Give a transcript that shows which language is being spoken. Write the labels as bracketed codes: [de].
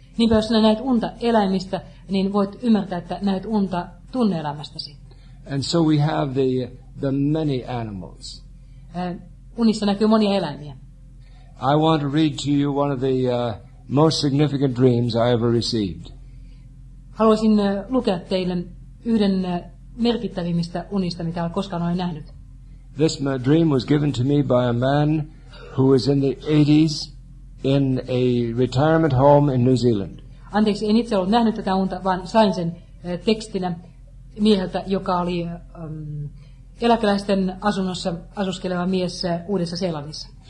[fi] Niin jos sinä näet unta eläimistä, niin voit ymmärtää, että näet unta tunne-elämästäsi. [en] And so we have the many animals. [fi] Unissa näkyy monia eläimiä. [en] I want to read to you one of the most significant dreams I ever received. [fi] Haluaisin lukea teille yhden merkittävimmistä unista, mitä olen koskaan olen nähnyt. [en] This dream was given to me by a man who was in the 80s in a retirement home in New Zealand. [fi] Anteeksi, en itse ollut nähnyt tätä unta, vaan sain sen tekstinä mieheltä, joka oli eläkeläisten asunnossa asuskeleva mies Uudessa-Seelannissa.